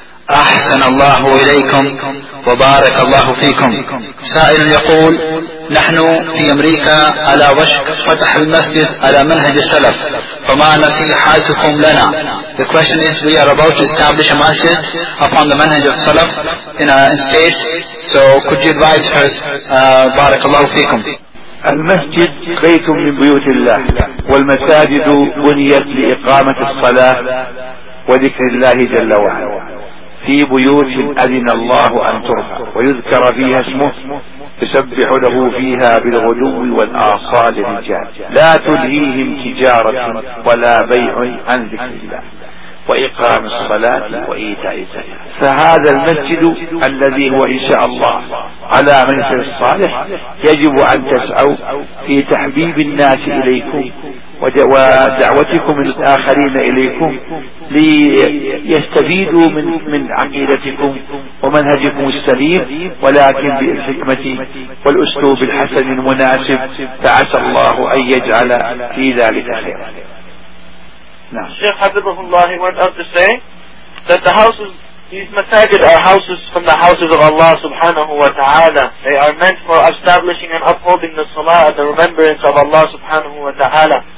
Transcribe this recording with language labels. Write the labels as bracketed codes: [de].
[ar] أحسن الله إليكم وبارك الله فيكم. سائل يقول: نحن في أمريكا على وشك فتح المسجد على منهج السلف، فما نصيحتكم لنا؟ [en] The question is: we are about to establish a masjid upon the manhaj of Salaf in states. So could you advise us? [ar] بارك الله فيكم. المسجد بيت من بيوت الله، والمساجد بنيت لإقامة الصلاة وذكر الله جل وعلا. في بيوت أذن الله أن ترفع ويذكر فيها اسمه، يسبح له فيها بالغدو والآصال رجال، لا تلهيهم تجارة ولا بيع عن ذكر الله وإقام الصلاة وإيتاء الزكاة. فهذا المسجد الذي هو إن شاء الله على منهج الصالح، يجب أن تسعوا في تحبيب الناس إليكم ودعوتكم الآخرين إليكم ليستفيدوا من عقيدتكم ومنهجكم السليم، ولكن بالحكمة والأسلوب الحسن المناسب، فعسى الله أن يجعل في ذلك خيرا. [en] No. Shaykh Habibullah, he went up to say that the houses, these masajid are houses from the houses of Allah subhanahu wa ta'ala. They are meant for establishing and upholding the salah and the remembrance of Allah subhanahu wa ta'ala.